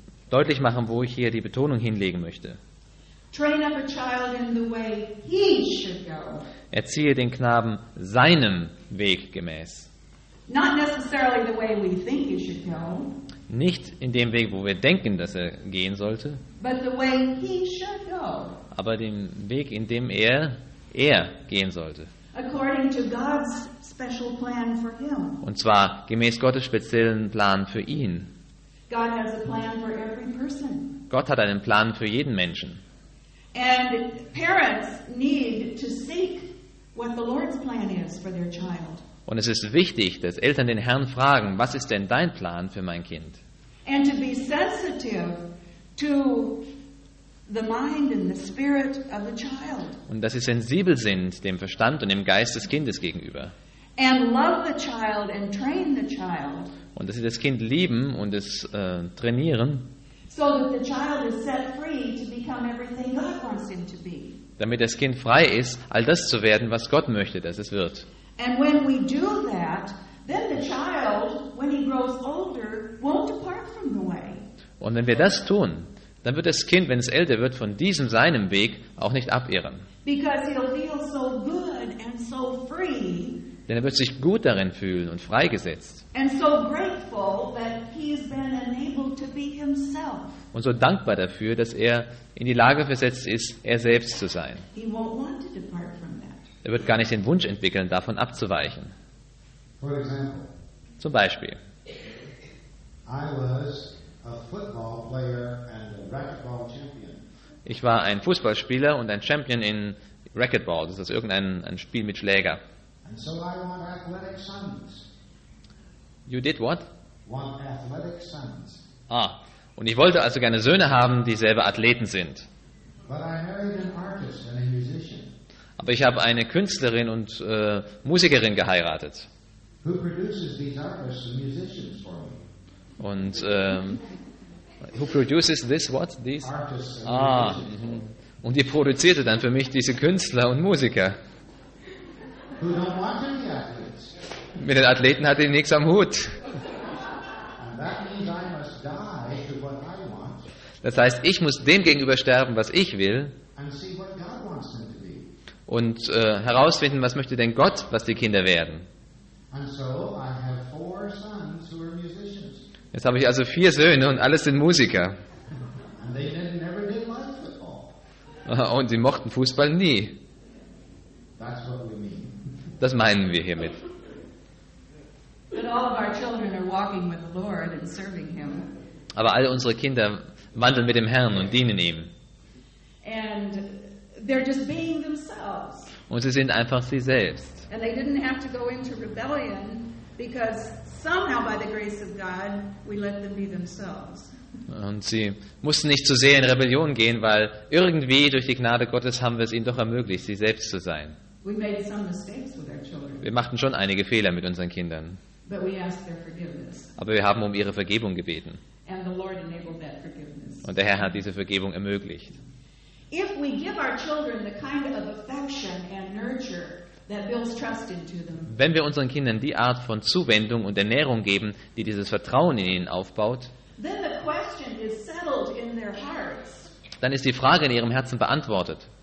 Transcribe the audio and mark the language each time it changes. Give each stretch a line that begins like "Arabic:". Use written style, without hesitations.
German: deutlich machen, wo ich hier die Betonung hinlegen möchte.
English: Train up a child in the way he should go.
German: Erziehe den Knaben seinem Weg gemäß.
English: Not necessarily the way we think he should go.
German: Nicht in dem Weg, wo wir denken, dass er gehen sollte.
English: But the way he should go.
German: Aber den Weg, in dem er gehen sollte.
English: According to God's special plan for him.
German: Und zwar gemäß Gottes speziellen Plan für ihn.
English: God has a plan for every person.
German: Gott hat einen Plan für jeden Menschen.
English: And parents need to seek what the Lord's plan is for their child.
German: Und es ist wichtig, dass Eltern den Herrn fragen, was ist denn dein Plan für mein Kind?
English: And to be sensitive to the mind and the spirit of the child.
German: Und dass sie sensibel sind dem Verstand und dem Geist des Kindes gegenüber.
English: And love the child and train the child.
German: Und dass sie das Kind lieben und es trainieren.
English: So that the child is set free to become everything God wants him to be.
German: Damit das Kind frei ist, all das zu werden, was Gott möchte, dass es wird.
English: And when we do that, then the child, when he grows older, won't depart from the way.
German: Und wenn wir das tun, dann wird das Kind, wenn es älter wird, von diesem seinem Weg auch nicht abirren.
English: Because he'll feel so good and so free.
German: Denn er wird sich gut darin fühlen und freigesetzt.
English: And so grateful that he's been enabled to be himself.
German: Und so dankbar dafür, dass er in die Lage versetzt ist, er selbst zu sein.
English: He won't want to depart from that.
German: Er wird gar nicht den Wunsch entwickeln, davon abzuweichen.
English: For example,
German: zum Beispiel.
English: I was a football player and a racquetball champion.
German: Ich war ein Fußballspieler und ein Champion in Racquetball. Das ist irgendein Spiel mit Schläger.
English: And so I want athletic sons. You did what? Want athletic sons.
German: Ah, und ich wollte also gerne Söhne haben, die selber Athleten sind.
English: But I married an artist and a musician.
German: Aber ich habe eine Künstlerin und Musikerin geheiratet.
English: Who produces these artists and musicians for me? Und who produces this what? These artists and musicians.
German: Ah, und die produzierte dann für mich diese Künstler und Musiker.
English: Who don't want any athletes.
German: Mit den Athleten hatte ich nichts am Hut.
English: And that means I must die to what I want.
German: Das heißt, ich muss dem gegenüber sterben, was ich will.
English: And see what God wants them to be.
German: Und herausfinden, was möchte denn Gott, was die Kinder werden.
English: And so I have four sons who are musicians.
German: Jetzt habe ich also vier Söhne und alles sind Musiker.
English: And they never did like football.
German: Und sie mochten Fußball nie.
English: That's what we mean.
German: Das meinen wir hiermit.
English: But all of our children are walking with the Lord and serving him.
German: Aber alle unsere Kinder wandeln mit dem Herrn und dienen ihm.
English: And they're just being themselves.
German: Und sie sind einfach sie selbst.
English: And they didn't have to go into rebellion because somehow by the grace of God we let them be themselves.
German: Und sie mussten nicht zu sehr in Rebellion gehen, weil irgendwie durch die Gnade Gottes haben wir es ihnen doch ermöglicht, sie selbst zu sein.
English: We made some mistakes with our children.
German: Wir machten schon einige Fehler mit unseren Kindern.
English: But we asked their forgiveness.
German: Aber wir haben um ihre Vergebung gebeten.
English: And the Lord enabled that forgiveness.
German: Und der Herr hat diese Vergebung ermöglicht.
English: If we give our children the kind of affection and nurture that builds trust into them.
German: Wenn wir unseren Kindern die Art von Zuwendung und Ernährung geben, die dieses Vertrauen in ihnen aufbaut,
English: then the question is settled in their hearts.
German: Dann ist die Frage in ihrem Herzen beantwortet.